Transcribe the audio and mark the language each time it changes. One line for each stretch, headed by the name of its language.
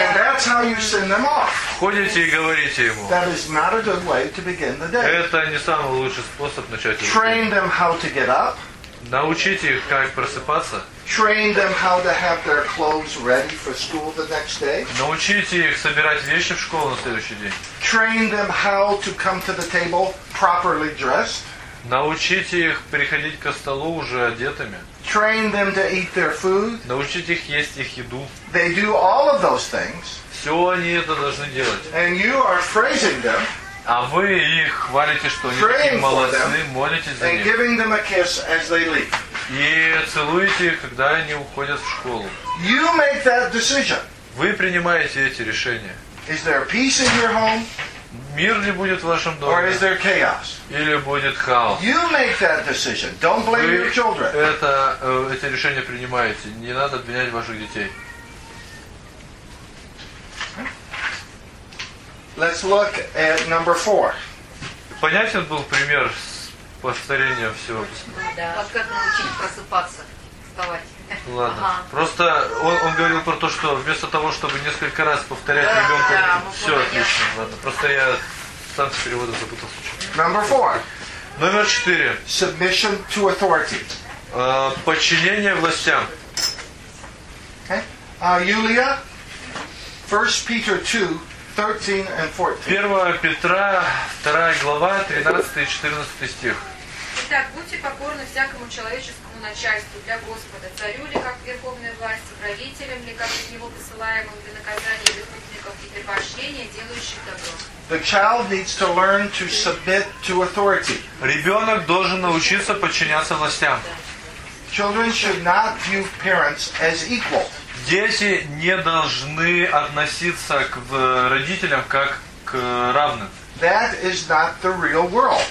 English: And that's how you send them off.
Russian: Ходите и говорите ему.
English: That is not a good way to begin the day.
Russian: Это не самый лучший способ начать день.
English: Train them how to get up.
Russian: Научите их, как просыпаться.
English: Train them how to have their clothes ready for school the next day.
Russian: Научите их собирать вещи в школу на следующий день.
English: Train them how to come to the table properly dressed.
Russian: Научите их приходить ко столу уже одетыми.
English: Train them to eat their food.
Russian: Научите их есть их еду.
English: They do all of those things.
Russian: Все они это должны делать.
English: And you are praising them.
Russian: А вы их хвалите, что они такие молодцы, молитесь за них.
English: And giving them a kiss as they leave.
Russian: И целуете их, когда они уходят в школу.
English: You make that decision.
Russian: Вы принимаете эти решения.
English: Is there peace in your home?
Russian: Мир ли будет в вашем доме?
English: Or is there chaos?
Russian: Или будет хаос?
English: You make that decision. Don't blame your children.
Russian: Эти решения принимаете. Не надо обвинять ваших детей.
English: Let's look at number four.
Russian: Понятен был пример с повторением всего. Да. Как научить просыпаться, вставать. Ладно. Ага. Просто он говорил про то, что вместо того, чтобы несколько раз повторять ребенку, все отлично. Ладно. Просто я сам с переводом запутался.
English: Number four.
Russian: Номер четыре.
English: Submission to authority.
Russian: Подчинение властям.
English: Okay. Юлия. 1 Peter 2:13-14.
Russian: 1 Петра, 2 глава, 13 и 14 стих. Итак, будьте покорны всякому человеческому начальству для Господа, царю ли как верховной власти, правителям ли как из него посылаемым для наказания выходников и для поощрения делающих добро.
English: The child needs to learn to submit to authority.
Russian: Ребенок должен научиться подчиняться властям.
English: Children should not view parents as equal.
Russian: Дети не должны относиться к родителям как к равным.
English: That is not the real world.